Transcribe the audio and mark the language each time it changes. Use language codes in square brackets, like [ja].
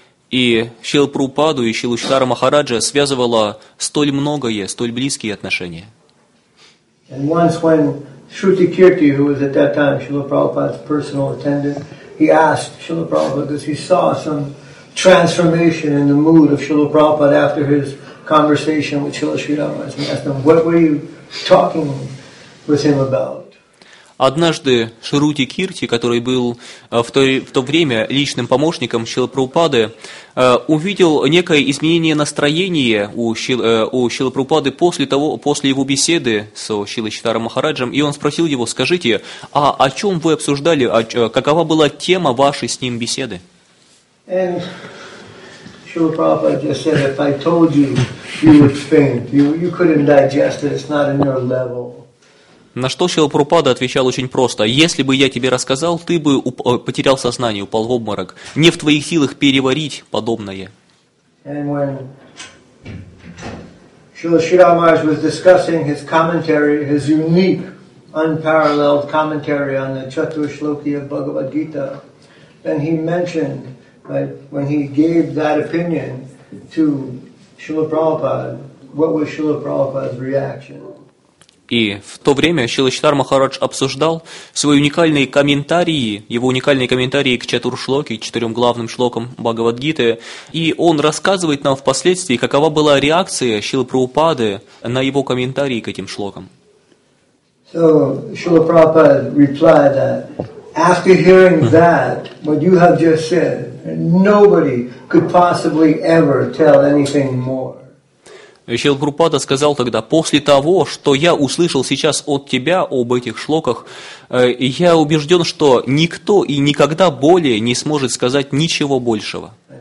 [ru] И Шрилу Прабхупаду и Шрилу Чайтанья Махараджа связывало столь многое, столь близкие отношения. [en] And once when Shruti Kirti, who was at that time Shrila Prabhupada's personal attendant, he asked Shrila Prabhupada, because he saw some transformation in the mood of Shrila Prabhupada after his conversation with Shrila Chaitanya, and asked him, what were you talking with him about? [ru] Однажды Шрути Кирти, который был в то время личным помощником Шрилы Прабхупады, увидел некое изменение настроения у Шрилы Прабхупады после его беседы с Шрилой Чайтанья Махараджем, и он спросил его: «Скажите, а о чем вы обсуждали, какова была тема вашей с ним беседы?» [en] Шрила Прабхупада just said, if I told you, you would faint. You couldn't digest it. It's not in your level. [ru] На что Шрила Прабхупада отвечал очень просто: если бы я тебе рассказал, ты бы потерял сознание, упал в обморок. Не в твоих силах переварить подобное. [en] And when Шрила Шрила Махарадж was discussing his commentary, his unique, unparalleled commentary on the Chaturshloki of Bhagavad Gita, then he mentioned that when he gave that opinion to Шрила Прабхупада, what was Шрила Прабхупада's reaction? [ru] И в то время Шрила Чайтанья Махарадж обсуждал свои уникальные комментарии, его уникальные комментарии к Чатуршлоке, четырем главным шлокам Бхагавадгиты, и он рассказывает нам впоследствии, какова была реакция Шрилы Прабхупады на его комментарии к этим шлокам. [en] So, Шрила Прабхупада replied that after hearing that, what you have just said, nobody could possibly ever tell anything more. [ru] Шрила Прабхупада сказал тогда: после того, что я услышал сейчас от тебя об этих шлоках, я убежден, что никто и никогда более не сможет сказать ничего большего.